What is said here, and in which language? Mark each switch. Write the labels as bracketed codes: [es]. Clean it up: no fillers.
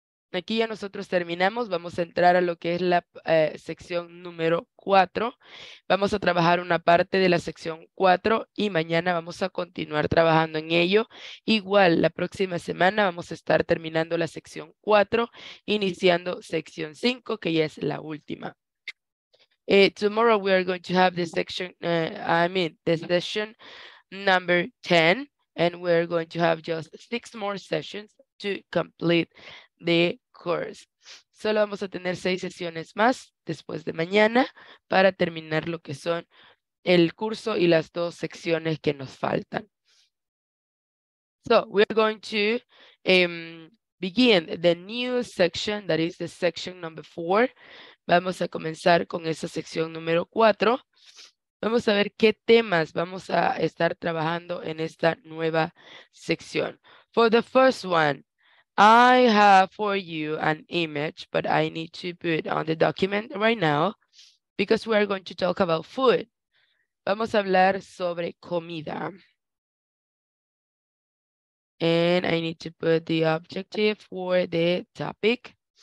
[es] Aquí ya nosotros terminamos. Vamos a entrar a lo que es la sección número 4. Vamos a trabajar una parte de la sección 4 y mañana vamos a continuar trabajando en ello. Igual, la próxima semana vamos a estar terminando la sección 4, iniciando sección 5, que ya es la última. [en] Tomorrow we are going to have the section, the session number 10, and we are going to have just 6 more sessions to complete the course. [es] Solo vamos a tener 6 sesiones más después de mañana para terminar lo que son el curso y las 2 secciones que nos faltan. [en] So we are going to begin the new section, that is the section number 4. [es] Vamos a comenzar con esa sección número 4. Vamos a ver qué temas vamos a estar trabajando en esta nueva sección. [en] For the first one, I have for you an image, but I need to put on the document right now because we are going to talk about food. [es] Vamos a hablar sobre comida. [en] And I need to put the objective for the topic.